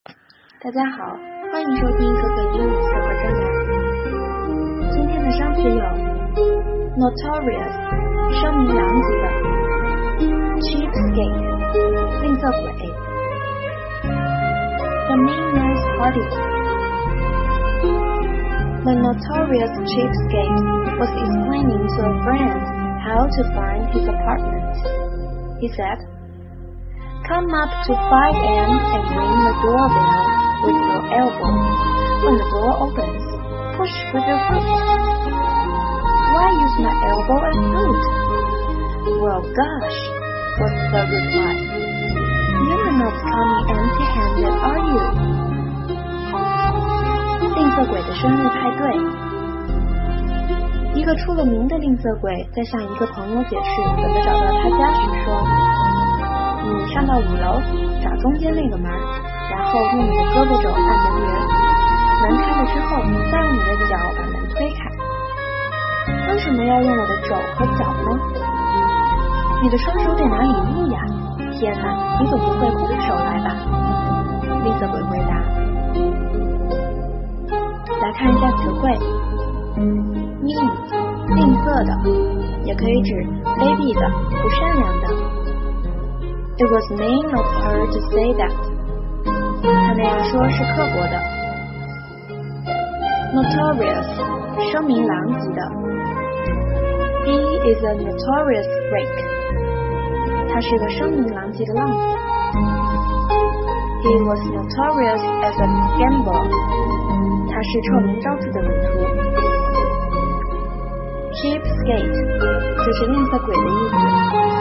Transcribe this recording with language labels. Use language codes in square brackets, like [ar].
[zh] 大家好，欢迎收听可可英语小课堂。今天的商词有 Notorious 声名狼藉的 Cheapskate 吝啬鬼 [en] The Mean Man's Party。 The Notorious Cheapskate was explaining to a friend how to find his apartment. He saidCome up to 5 a.m. and ring the doorbell with your elbow. When the door opens, push with your foot. Why use my elbow and foot? Well, gosh, was the reply. You're not coming empty-handed, are you? [zh] 吝啬鬼的生日派对。一个出了名的吝啬鬼在向一个朋友解释怎么找到他家时说，你上到5楼，找中间那个门，然后用你的胳膊肘按门铃，门开了之后，再用你的脚把门推开。为什么要用我的肘和脚呢？你的双手得拿礼物呀！天哪，你总不会空手来吧？吝啬鬼回答。来看一下词汇 ，mean 吝啬的，也可以指卑鄙的、不善良的。 [en] It was mean of her to say that. [zh] 她那样说是刻薄的。 Notorious, 声名狼藉的。 [en] He is a notorious rake. [zh] 他是个声名狼藉的浪子。 [en] He was notorious as a gambler. [zh] 他是臭名昭著的赌徒。 Cheapskate, 就是吝啬鬼的意思。